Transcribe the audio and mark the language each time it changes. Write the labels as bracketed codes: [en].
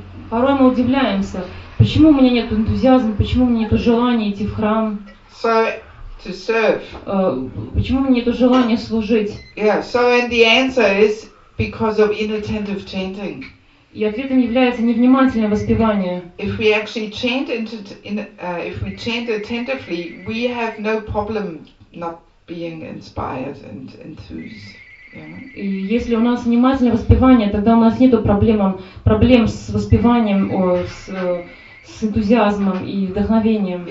[ru] Порой мы удивляемся, почему у меня нет энтузиазма, почему у меня нет желания идти в храм. [en] So to serve. [ru] Почему мне это желание служить? [en] Yeah, so and the answer is because of inattentive chanting. [ru] И ответом является невнимательное воспевание. [en] If we actually chant if we chant attentively, we have no problem not being inspired and enthused. [ru] Yeah. И если у нас внимательное воспевание, тогда у нас нету проблем с воспеванием с энтузиазмом и вдохновением.